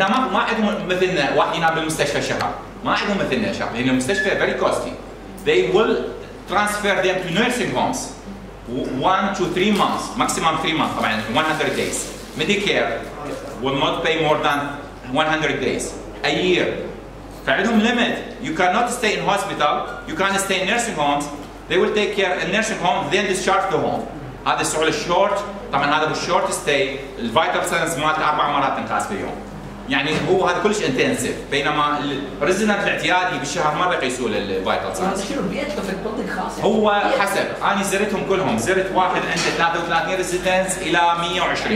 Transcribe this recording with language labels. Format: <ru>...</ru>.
<ar>نعم ما عندهم مثلنا واحد ينام بالمستشفى شهر. ما عندهم مثلنا شهر. لأن المستشفى</ar> <en>very costly. They will transfer them to nursing homes. 1 to 3 months, maximum 3 months. طبعاً 100 days. Medicare will not pay more than 100 days a year. فعندهم limit. You cannot stay in hospital. You can't stay in nursing homes. They will take care in nursing home, then discharge the home.</en> <ar>هذا السؤال short. طبعا هذا هو الشورت ستي الفايتال ساينس مالته 4 مرات تنقاس باليوم يعني هو هذا كلش انتنسيف بينما الريزنت الاعتيادي بالشهر مره يقيسوا له الفايتال ساينس شنو بيئته في البلدنج خاص هو حسب انا زرتهم كلهم زرت واحد عنده 33 ريزيدنس الى 120</ar>